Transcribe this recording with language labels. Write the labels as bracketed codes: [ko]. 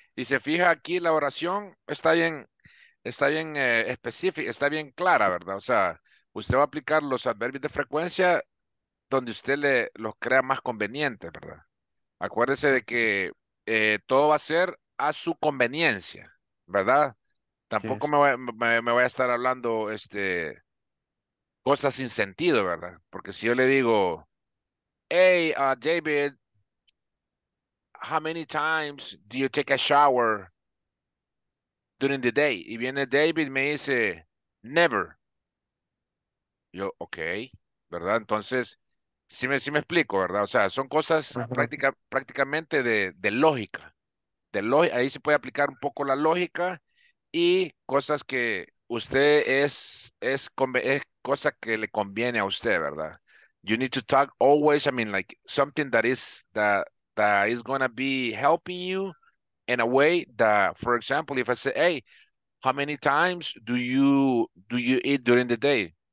[es] Y se fija aquí la oración, está bien específica, está bien clara, ¿verdad? O sea, usted va a aplicar los adverbios de frecuencia donde usted le, los crea más convenientes, ¿verdad? Acuérdese de que todo va a ser a su conveniencia, ¿verdad? Tampoco me voy a estar hablando cosas sin sentido, ¿verdad? Porque si yo le digo, [en] hey, David, how many times do you take a shower during the day? [es] Y viene David, me dice, never. Yo, okay, ¿verdad? Entonces, sí me explico, ¿verdad? O sea, son cosas prácticamente de lógica. Ahí se puede aplicar un poco la lógica y cosas que usted es cosa que le conviene a usted, ¿verdad? [en] You need to talk always, I mean, like, something that is that is going to be helping you in a way that, for example, if I say, hey, how many times do you eat during the day?